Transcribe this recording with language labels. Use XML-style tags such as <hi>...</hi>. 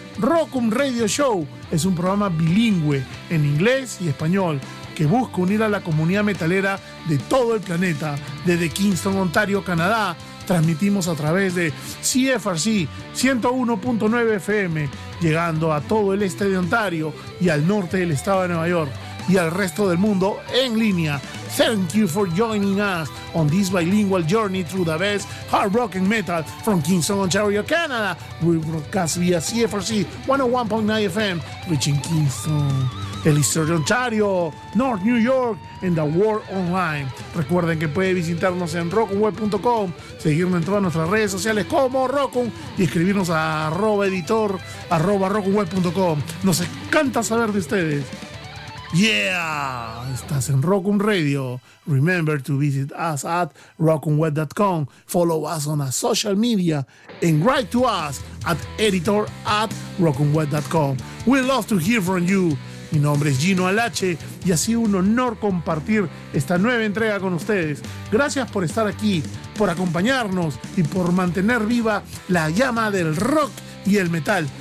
<es>Rock Un Radio Show es un programa bilingüe en inglés y español que busca unir a la comunidad metalera de todo el planeta. Desde Kingston, Ontario, Canadá, transmitimos a través de CFRC 101.9 FM, llegando a todo el este de Ontario y al norte del estado de Nueva York, y al resto del mundo en línea.</es> <en>Thank you for joining us on this bilingual journey through the best hard rock and metal from Kingston, Ontario, Canada. We broadcast via CFRC 101.9 FM, reaching Kingston, el Eastern Ontario, North New York, and the world online.</en> <es>Recuerden que puede visitarnos en rockunweb.com, seguirnos en todas nuestras redes sociales como Rockun y escribirnos a @editor@rockunweb.com. Nos encanta saber de ustedes. Yeah, estás en Rock Un Radio.</es> <en>Remember to visit us at rockunweb.com. Follow us on our social media and write to us at editor@rockunweb.com. We love to hear from you.</en> <es>Mi nombre es Gino Alache y ha sido un honor compartir esta nueva entrega con ustedes. Gracias por estar aquí, por acompañarnos y por mantener viva la llama del rock y el metal.</es>